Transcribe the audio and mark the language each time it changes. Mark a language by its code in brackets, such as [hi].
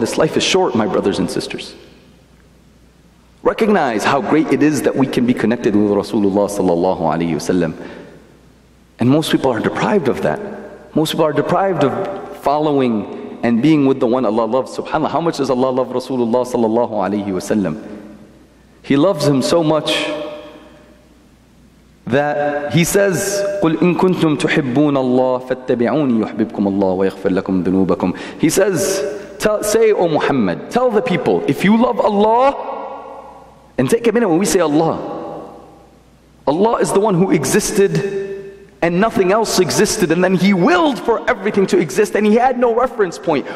[en] This life is short, my brothers and sisters. Recognize how great it is that we can be connected with Rasulullah sallallahu alayhi wasallam. And most people are deprived of that. Most people are deprived of following and being with the one Allah loves. SubhanAllah, how much does Allah love Rasulullah sallallahu alayhi wasallam? He loves him so much that he says, [ar] قُلْ إِن كُنْتُمْ تُحِبُّونَ اللَّهِ فَاتَّبِعُونِ يُحْبِبْكُمْ اللَّهِ وَيَغْفِرْ لَكُمْ ذُنُوبَكُمْ. [en] He says, say, O Muhammad, tell the people, if you love Allah, and take a minute when we say Allah, Allah is the one who existed and nothing else existed, and then He willed for everything to exist, and He had no reference point.